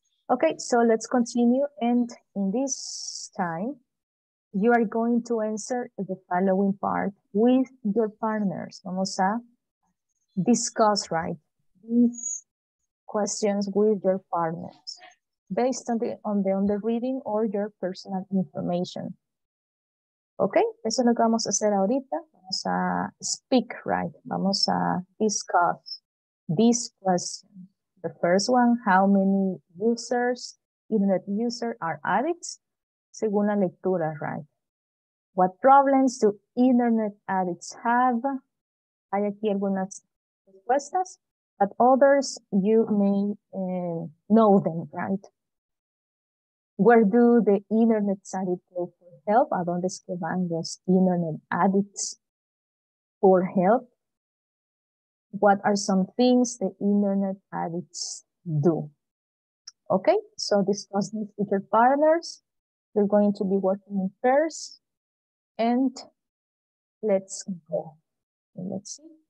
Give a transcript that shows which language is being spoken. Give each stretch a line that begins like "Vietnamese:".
English: Okay, so let's continue. And in this time, you are going to answer the following part with your partners.
Spanish: Vamos a
English: discuss, right, these questions with your partners based on the reading or your personal information.
Spanish: Okay, eso es lo que vamos a hacer ahorita. Vamos a
English: speak, right? Vamos a discuss this question. The first one, how many users, internet users, are addicts?
Spanish: Según la lectura,
English: right? What problems do internet addicts have?
Spanish: Hay aquí algunas respuestas,
English: but others you may know them, right? Where do the internet addicts go for help?
Spanish: ¿A dónde es que van los
English: internet addicts for help? What are some things the internet addicts do? Okay, so discuss this with your partners. You're going to be working in pairs. And let's go. Let's see.